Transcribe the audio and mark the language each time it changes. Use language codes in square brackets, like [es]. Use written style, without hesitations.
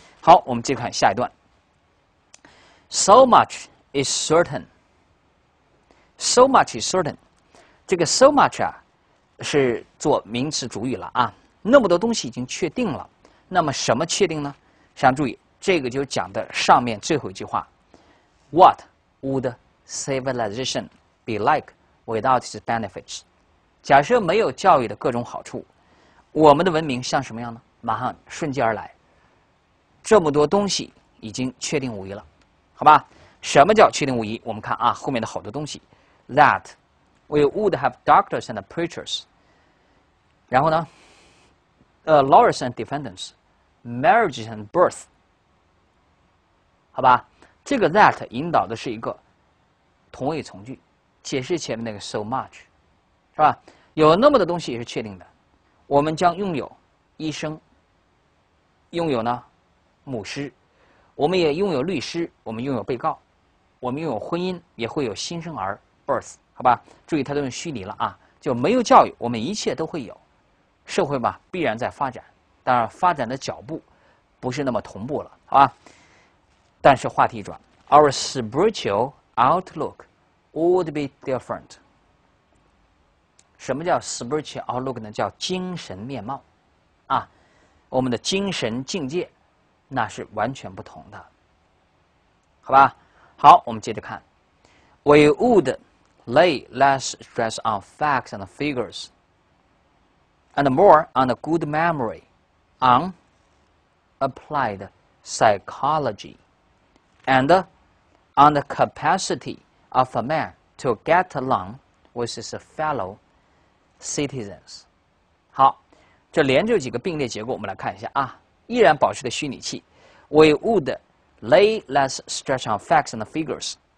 [zh] 好，我们接着看下一段。 [en] So much is certain. So much is certain. [zh] 这个 so much 啊，是做名词主语了啊。那么多东西已经确定了，那么什么确定呢？想注意，这个就讲的上面最后一句话。 [en] What would civilization be like without its benefits? [zh] 假设没有教育的各种好处，我们的文明像什么样呢？马上顺继而来，这么多东西已经确定无疑了，好吧？什么叫确定无疑？我们看啊，后面的好多东西 ， [en] that we would have doctors and preachers， [zh] 然后呢， [en] lawyers and defendants， marriages and births， [zh] 好吧？这个 that 引导的是一个同位从句，解释前面那个 so much， 是吧？有那么多东西也是确定的，我们将拥有医生，拥有呢牧师，我们也拥有律师，我们拥有被告，我们拥有婚姻，也会有新生儿 birth， 好吧？注意它都用虚拟了啊，就没有教育，我们一切都会有，社会嘛必然在发展，当然发展的脚步不是那么同步了，好吧？但是话题转 [en] ，our spiritual outlook would be different。 [zh] 什么叫 spiritual outlook 呢？叫精神面貌，啊，我们的精神境界那是完全不同的，好吧？好，我们接着看 [en] ，we would lay less stress on facts and figures and more on a good memory, on applied psychology. And on the capacity of a man to get along with his fellow citizens. [zh] 好，这连着几个并列结构，我们来看一下啊。依然保持的虚拟器。 [en] We would lay less stress on facts and figures.